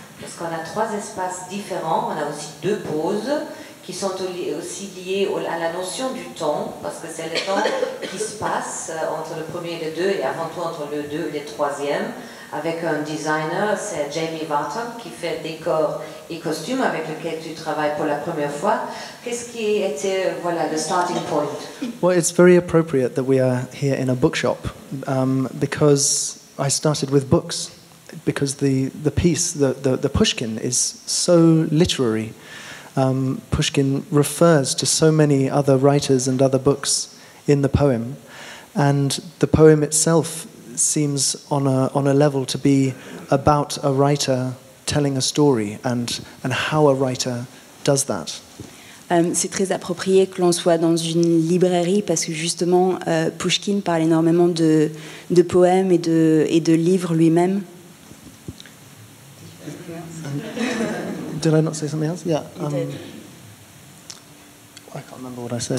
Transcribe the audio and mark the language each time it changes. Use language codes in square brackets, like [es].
[fr] parce qu'on a trois espaces différents, on a aussi deux pauses qui sont aussi liées à la notion du temps, parce que c'est le temps qui se passe entre le premier et le deux, et avant tout entre le deux et le troisième, avec un designer, c'est Jamie Barton, qui fait décor et costumes avec lequel tu travailles pour la première fois. Qu'est-ce qui était, voilà, le [en] starting point? Well, it's very appropriate that we are here in a bookshop, because I started with books, because the piece, the Pushkin, is so literary. Pushkin refers to so many other writers and other books in the poem, and the poem itself seems on a level to be about a writer telling a story and how a writer does that. [fr] C'est très approprié que l'on soit dans une librairie parce que justement Pushkin parle énormément de poèmes et de livres lui-même. [en] Did I not say something else? Yeah. You did. I can't remember what I said.